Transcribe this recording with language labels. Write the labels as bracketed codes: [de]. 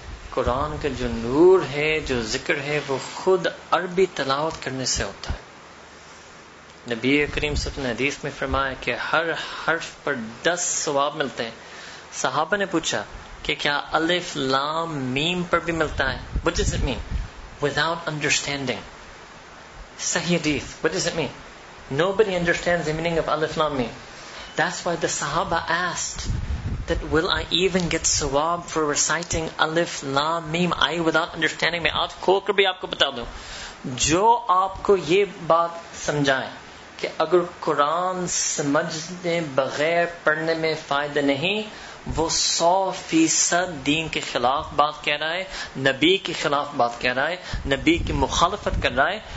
[ur] قرآن کا جو نور ہے, جو ذکر ہے, وہ خود عربی تلاوت کرنے سے ہوتا ہے. نبی کریم صلی اللہ علیہ وسلم نے حدیث میں فرمایا کہ ہر حرف پر 10 ثواب ملتے ہیں. صحابہ نے پوچھا کہ کیا الف لام میم پر بھی ملتا ہے؟ [en] What does it mean? Without understanding. [ur] صحیح حدیث. [en] What does it mean? Nobody understands the meaning of الف لام میم. That's why the صحابہ asked that will I even get ثواب for reciting الف لام میم I without understanding. [ur] میں آپ کھول کر بھی آپ کو بتا دوں, جو آپ کو یہ بات سمجھائیں کہ اگر قرآن سمجھنے بغیر پڑھنے میں فائدہ نہیں, وہ 100% دین کے خلاف بات کہہ رہا ہے, نبی کے خلاف بات کہہ رہا ہے, نبی کی مخالفت کر رہا ہے.